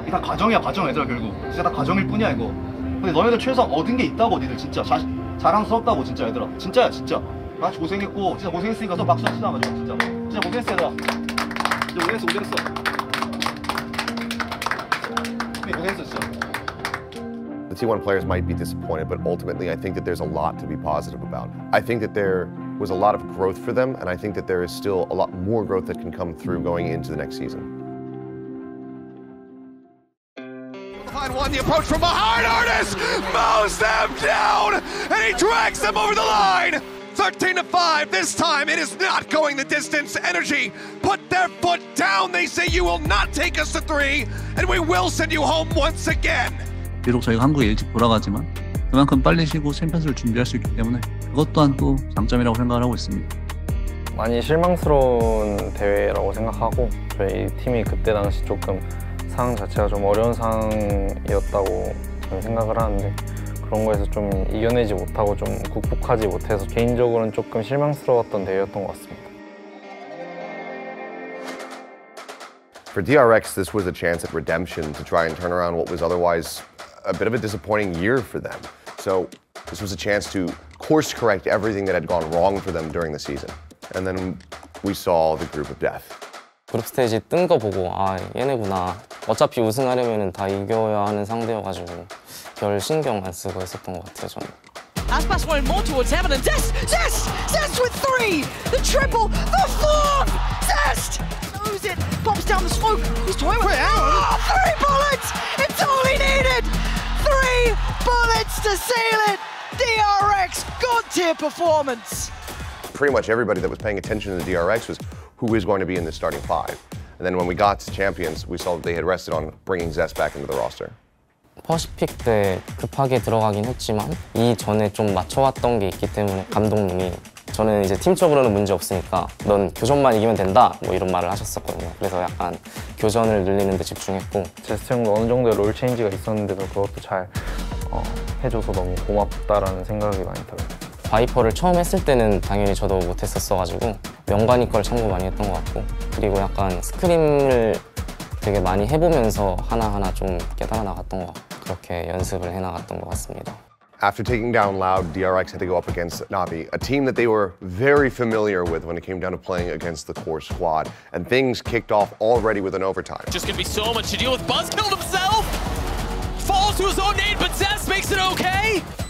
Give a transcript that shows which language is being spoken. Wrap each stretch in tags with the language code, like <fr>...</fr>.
<ko>이게 다 과정이야, 과정, 얘들아, 결국. 진짜 다 과정일 뿐이야, 이거. 근데 너네들 최소 얻은 게 있다고, 니들 진짜. 자랑스럽다고, 진짜, 얘들아. 진짜야, 진짜. 같이 고생했고, 진짜 고생했으니까 너 박수 치자, 맞아, 진짜. 진짜 고생했어, 얘들아. 진짜 고생했어, 고생했어. 고생했어, 진짜.</ko> <en>T1 players might be disappointed, but ultimately I think that there's a lot to be positive about. I think that there was a lot of growth for them, and I think that there is still a lot more growth that can come through going into the next season. Find one, the approach from behind Artis mows them down, and he drags them over the line. 13-5, this time it is not going the distance. Energy put their foot down. They say you will not take us to three, and we will send you home once again.</en> <ko>비록 저희가 한국에 일찍 돌아가지만 그만큼 빨리 쉬고 챔피언스를 준비할 수 있기 때문에 그것 또한 또 장점이라고 생각을 하고 있습니다. 많이 실망스러운 대회라고 생각하고 저희 팀이 그때 당시 조금 상황 자체가 좀 어려운 상황이었다고 저는 생각을 하는데 그런 거에서 좀 이겨내지 못하고 좀 극복하지 못해서 개인적으로는 조금 실망스러웠던 대회였던 것 같습니다.</ko> <en>For DRX, this was a chance at redemption to try and turn around what was otherwise a bit of a disappointing year for them. So this was a chance to course correct everything that had gone wrong for them during the season. And then we saw the group of death.</en> <ko>그룹 스테이지 뜬 거 보고 아 얘네구나. 어차피 우승하려면 다 이겨야 하는 상대여가지고 별 신경 안 쓰고 했었던 것 같아요 저는.</ko> <en>Aspas wanted more towards heaven and Zest, Zest, Zest with three, the triple, the four, Zest. It pops down the smoke. He's toying with it. Oh, three bullets! It's all he needed. Three bullets to seal it. DRX, god tier performance. Pretty much everybody that was paying attention to the DRX was who is going to be in the starting five. And then when we got to champions, we saw that they had rested on bringing Zest back into the roster.</en> <ko>퍼시픽 때 급하게 들어가긴 했지만 이 전에 좀 맞춰왔던 게 있기 때문에 감독님이. 저는 이제 팀적으로는 문제 없으니까 넌 교전만 이기면 된다 뭐 이런 말을 하셨었거든요. 그래서 약간 교전을 늘리는 데 집중했고 제스트 형도 어느 정도의 롤 체인지가 있었는데도 그것도 잘 해줘서 너무 고맙다라는 생각이 많이 들어요. 바이퍼를 처음 했을 때는 당연히 저도 못했었어가지고 명관이 걸 참고 많이 했던 것 같고 그리고 약간 스크림을 되게 많이 해보면서 하나하나 좀 깨달아 나갔던 것 같고 그렇게 연습을 해나갔던 것 같습니다.</ko> <en>After taking down Loud, DRX had to go up against Na'Vi, a team that they were very familiar with when it came down to playing against the core squad. And things kicked off already with an overtime. Just gonna be so much to deal with. Buzz killed himself! Falls to his own nade, but Zest makes it okay!</en>